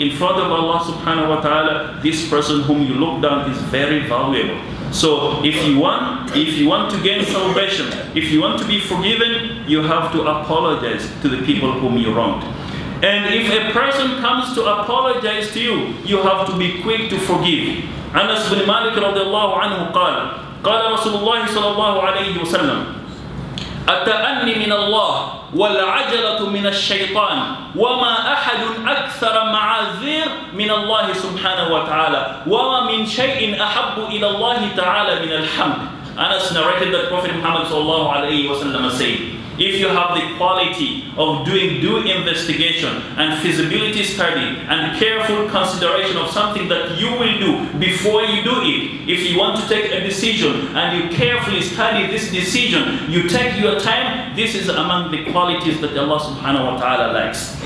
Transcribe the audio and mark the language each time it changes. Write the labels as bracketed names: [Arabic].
[English] In front of Allah subhanahu wa ta'ala, this person whom you look down is very valuable. So if you want to gain salvation, if you want to be forgiven, you have to apologize to the people whom you wronged. And if a person comes to apologize to you, you have to be quick to forgive. [Arabic] Anas bin Malik radiallahu anhu qala, qala Rasulullah sallallahu alayhi wa sallam, أتأني من الله والعجلة من الشيطان وما أحد أكثر معاذير من الله سبحانه وتعالى وما من شيء أحب إلى الله تعالى من الحمد. [English] Anas narrated that Prophet Muhammad sallallahu alayhi wa sallam said, if you have the quality of doing due investigation and feasibility study and careful consideration of something that you will do before you do it, if you want to take a decision and you carefully study this decision, you take your time, this is among the qualities that Allah subhanahu wa ta'ala likes.